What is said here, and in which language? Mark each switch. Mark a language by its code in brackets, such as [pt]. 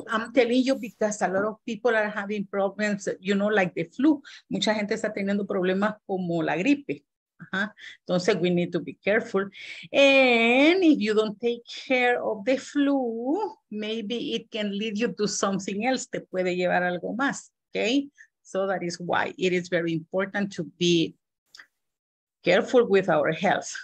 [en] I'm telling you because a lot of people are having problems, you know, like the flu. [es] Mucha gente está teniendo problemas como la gripe. [en] Entonces, we need to be careful. And if you don't take care of the flu, maybe it can lead you to something else. [es] Te puede llevar algo más. [en] Okay. So that is why it is very important to be careful with our health.